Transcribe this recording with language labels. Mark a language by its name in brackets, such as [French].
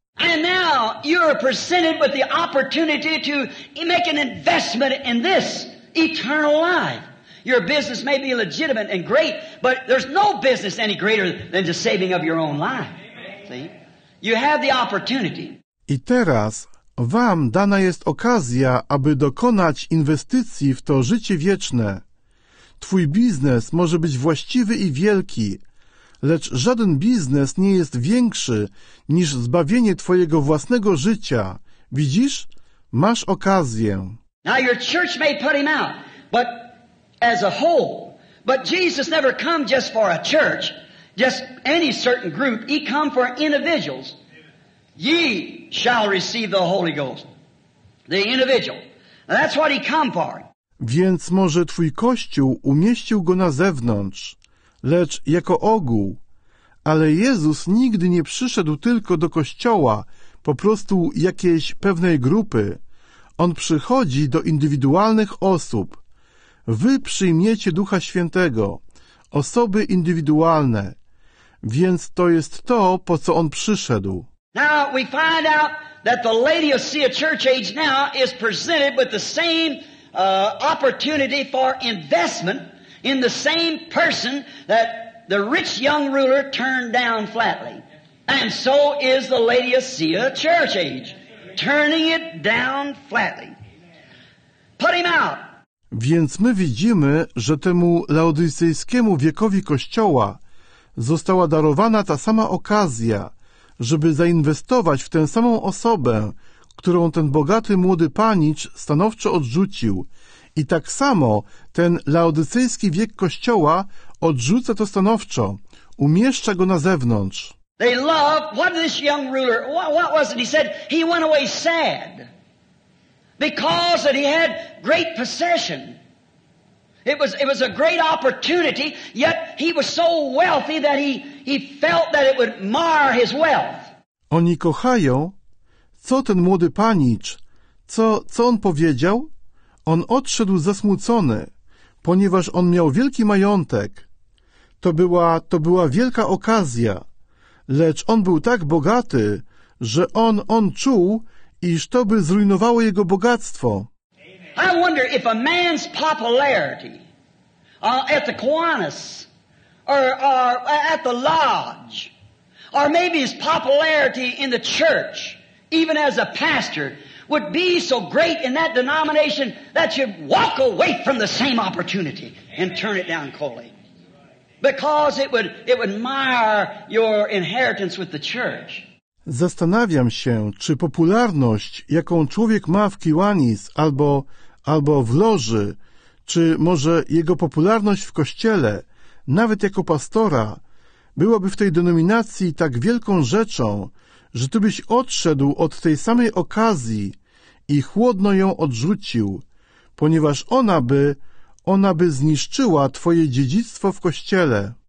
[English] And now you are presented with the opportunity to make an investment in this eternal life. Your business may be legitimate and great, but there's no business any greater than the saving of your own life. See? You have the opportunity. [Polish] I teraz wam dana jest okazja, aby dokonać inwestycji w to życie wieczne. Twój biznes może być właściwy i wielki, lecz żaden biznes nie jest większy niż zbawienie twojego własnego życia. Widzisz? Masz okazję. [English] Now your church may put him out, but as a whole. But Jesus never come just for a church, just any certain group. He come for individuals. Ye shall receive the Holy Ghost. The individual. And that's what he come for. [Polish] Więc może twój kościół umieścił go na zewnątrz, lecz jako ogół. Ale Jezus nigdy nie przyszedł tylko do kościoła, po prostu jakiejś pewnej grupy. On przychodzi do indywidualnych osób. Wy przyjmiecie Ducha Świętego, osoby indywidualne. Więc to jest to, po co on przyszedł. [English] Now we find out that the Laodicea church age now is presented with the same opportunity for investment in the same person that the rich young ruler turned down flatly. And so is the Laodicea church age, turning it down flatly. Put him out. [Polish] Więc my widzimy, że temu laodycejskiemu wiekowi kościoła została darowana ta sama okazja, żeby zainwestować w tę samą osobę, którą ten bogaty młody panicz stanowczo odrzucił. I tak samo ten laodycejski wiek kościoła odrzuca to stanowczo, umieszcza go na zewnątrz. [English] They love, what this young ruler, what was it? He said he went away sad because that he had great possession. It was a great opportunity, yet he was so wealthy that he felt that it would mar his wealth. [Polish] Oni kochają, co ten młody panicz, co on powiedział? On odszedł zasmucony, ponieważ on miał wielki majątek. To była wielka okazja. Lecz on był tak bogaty, że on czuł, iż to by zrujnowało jego bogactwo. [English] I wonder if a man's popularity at the Kiwanis or at the lodge or maybe his popularity in the church, even as a pastor, would be so great in that denomination that you'd walk away from the same opportunity and turn it down coldly. Because it would mar your inheritance with the church. [Polish] Zastanawiam się, czy popularność, jaką człowiek ma w Kiwanis albo w loży, czy może jego popularność w kościele, nawet jako pastora, byłaby w tej denominacji tak wielką rzeczą, że ty byś odszedł od tej samej okazji i chłodno ją odrzucił, ponieważ ona by zniszczyła twoje dziedzictwo w kościele.